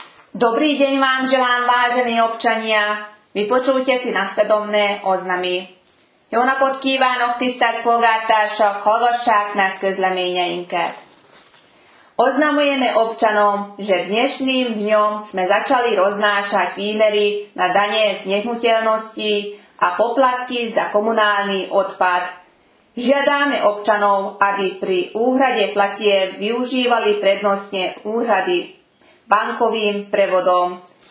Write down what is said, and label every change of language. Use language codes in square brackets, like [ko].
[sk] Dobrý deň vám želám, vážení občania. Vypočujte si nasledovné oznamy. [hu] Jó napot kívánok, tisztelt polgártársak, hallgassák meg közleményeinket. [sk] Oznamujeme občanom, že dnešným dňom sme začali roznášať výmery na dane z nehnuteľnosti a poplatky za komunálny odpad. Žiadame občanov, aby pri úhrade platie využívali prednostne úhrady bankovým prevodom.